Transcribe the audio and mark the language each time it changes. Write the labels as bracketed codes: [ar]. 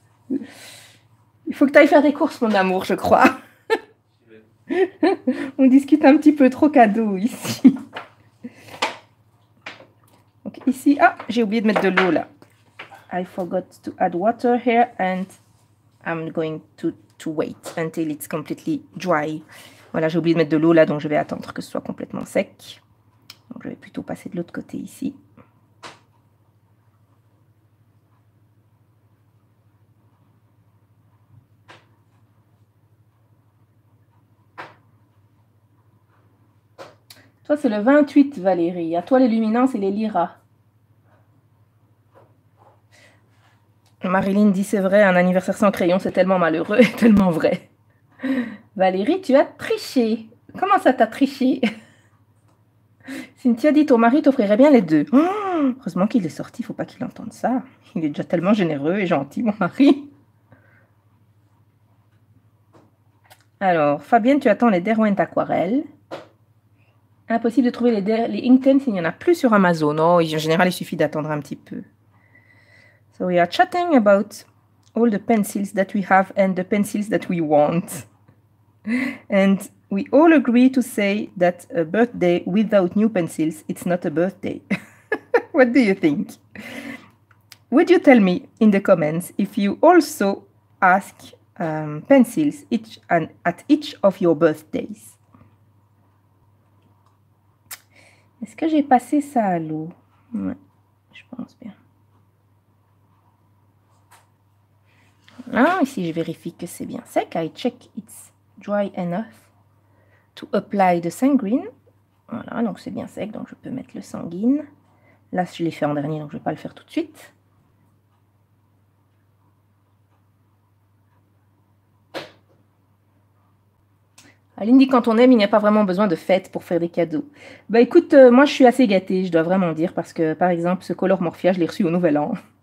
[fr] Il faut que tu ailles faire des courses, mon amour, je crois. On discute un petit peu trop cadeau ici. Donc ici, ah, j'ai oublié de mettre de l'eau là. [en] I forgot to add water here and I'm going to wait until it's completely dry. [fr] Voilà, j'ai oublié de mettre de l'eau là, donc je vais attendre que ce soit complètement sec. Donc je vais plutôt passer de l'autre côté ici. Toi, c'est le 28, Valérie. À toi, les luminances et les lyras. Marilyn dit, c'est vrai, un anniversaire sans crayon, c'est tellement malheureux et tellement vrai. Valérie, tu as triché. Comment ça, t'as triché? Cynthia dit, ton mari t'offrirait bien les deux. Heureusement qu'il est sorti, il ne faut pas qu'il entende ça. Il est déjà tellement généreux et gentil, mon mari. Alors, Fabienne, tu attends les Derwent aquarelles. Impossible de trouver les Inkten s'il n'y en a plus sur Amazon. Non, en général, il suffit d'attendre un petit peu. [en] So we are chatting about all the pencils that we have and the pencils that we want. And we all agree to say that a birthday without new pencils, it's not a birthday. What do you think? Would you tell me in the comments if you also ask pencils each and at each of your birthdays? [fr] Est-ce que j'ai passé ça à l'eau? Ouais, je pense bien. Ah, ici, je vérifie que c'est bien sec. [en] I check it's dry enough to apply the sanguine. [fr] Voilà, donc c'est bien sec, donc je peux mettre le sanguine. Là, je l'ai fait en dernier, donc je ne vais pas le faire tout de suite. Aline dit, quand on aime, il n'y a pas vraiment besoin de fête pour faire des cadeaux. Bah écoute, moi je suis assez gâtée, je dois vraiment dire, parce que par exemple, ce Color Morphia, je l'ai reçu au Nouvel An.